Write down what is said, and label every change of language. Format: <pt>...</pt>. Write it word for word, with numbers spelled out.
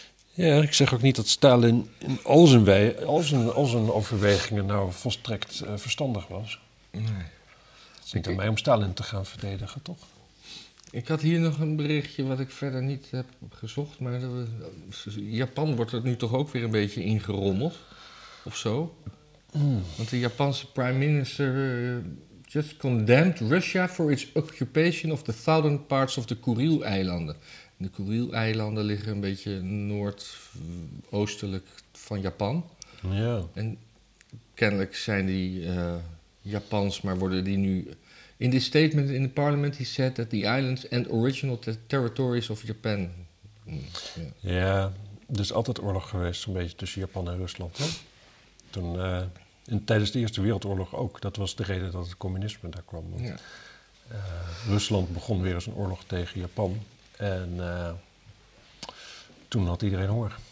<nl>Ja, ik zeg ook niet dat Stalin in al zijn, wij, al zijn, al zijn overwegingen nou volstrekt uh, verstandig was. Nee. Het is niet aan mij om Stalin te gaan verdedigen, toch? Ik had hier nog een berichtje wat ik verder niet heb gezocht, maar dat we, Japan wordt er nu toch ook weer een beetje ingerommeld, of zo. Mm. Want de Japanse</nl> <en>prime minister uh, just condemned Russia for its occupation of the southern parts of the Kurileilanden.</en> <nl>De Kurileilanden liggen een beetje noordoostelijk van Japan. Ja. En kennelijk zijn die uh, Japans, maar worden die nu...</nl> <en>In this statement in the parliament, he said that the islands and original te- territories of Japan. Mm, yeah.</en> <nl>Ja, er is altijd oorlog geweest, zo'n beetje tussen Japan en Rusland. Hè? Toen, uh, in, tijdens de Eerste Wereldoorlog ook. Dat was de reden dat het communisme daar kwam. Want, ja. uh, Rusland begon weer eens een oorlog tegen Japan. En uh, toen had iedereen honger.</nl>